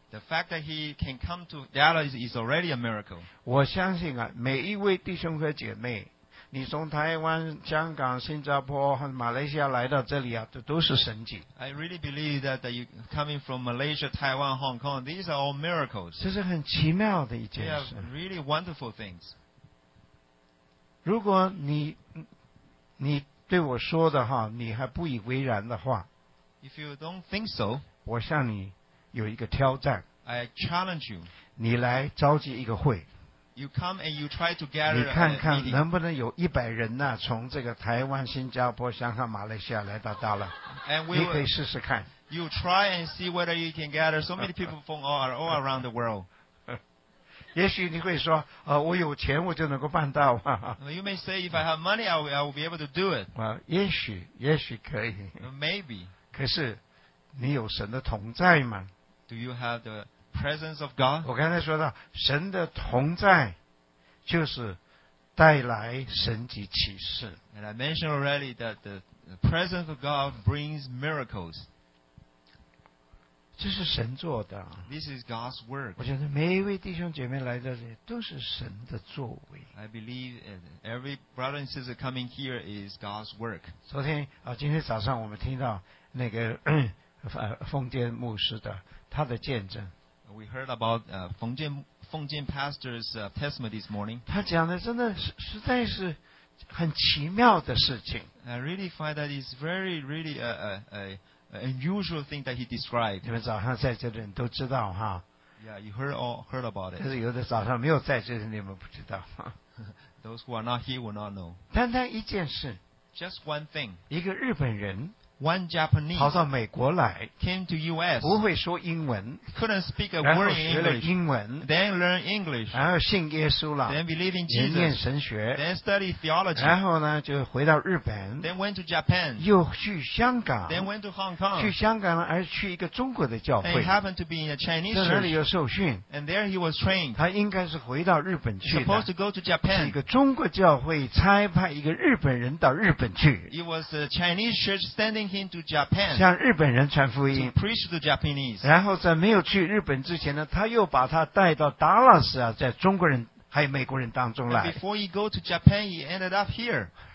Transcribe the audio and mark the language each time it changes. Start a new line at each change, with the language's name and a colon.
English: The fact that he can come to Dallas is already a miracle.
Chinese: 我相信啊，每一位弟兄和姐妹，你从台湾、香港、新加坡和马来西亚来到这里啊，这都是神迹。
English: I really believe that you coming from Malaysia, Taiwan, Hong Kong, these are all miracles.
Chinese: 这是很奇妙的一件事。
English: They are really wonderful things.
Chinese: 如果你对我说的哈，你还不以为然的话
English: ，If you don't think so,
Chinese: 我向你有一个挑战。
English: I challenge you.
Chinese: 你来召集一个会。
English: You come and you try to gather.
Chinese: 你看看能不能有一百人呢、啊？从这个台湾、新加坡、香港、马来西亚来到大陆，你可以试试看。
English: You try and see whether you can gather so many people from all around the world.
Chinese: 也许你会说，我有钱我就能够办到。
English: You may say if I have money, I will be able to do it.
Chinese: 也许可以。
English: Maybe.
Chinese: 可是，你有神的同在吗
English: ？Do you have the presence of God?
Chinese: 我刚才说到神的同在就是带来神迹奇事。
English: And I mentioned already that the presence of God brings miracles.
Chinese: 这是神做的。
English: This is God's work.
Chinese: 我觉得每一位弟兄姐妹来到这里都是神的作为。
English: I believe every brother and sister coming here is God's work.
Chinese: 昨天今天早上我们听到那个丰坚牧师的他的见证。
English: We heard about Fengjian Pastor's testimony this morning.
Chinese: 他讲的真的实在是很奇妙的事情。
English: I really find that it's very, really unusual thing that he described.
Chinese: 你们早上在这的人都知道哈。
English: Yeah, you heard about it.
Chinese: 但是有的早上没有在这的你们不知道。
English: Those who are not here will not know.
Chinese: 单单一件事。
English: Just one thing.
Chinese: 一个日本人。
English: One Japanese
Chinese: 跑到美国来
English: came to US,
Chinese: 不会说英文
English: couldn't speak a word in English,
Chinese: 然后学了英文
English: then learn English,
Chinese: 然后信耶稣了
English: then believe in Jesus,
Chinese: 念神学
English: then study theology,
Chinese: 然后呢就回到日本
English: then went to Japan,
Chinese: 又去香港
English: then went to Hong Kong,
Chinese: 去香港呢而去一个中国的教会
English: and happened to be in a Chinese church,
Chinese: 在那里又受训
English: and there he was trained,
Chinese: 他应该是回到日本去的
English: supposed to go to Japan,
Chinese: 是一个中国教会差派一个日本人到日本去
English: it was a Chinese church standing him to Japan,
Chinese: 向日本人传福音
English: to preach to Japanese.
Chinese: 然后在没有去日本之前呢他又把他带到达拉斯啊在中国人还有美国人当中来
English: and before he go to Japan he ended up here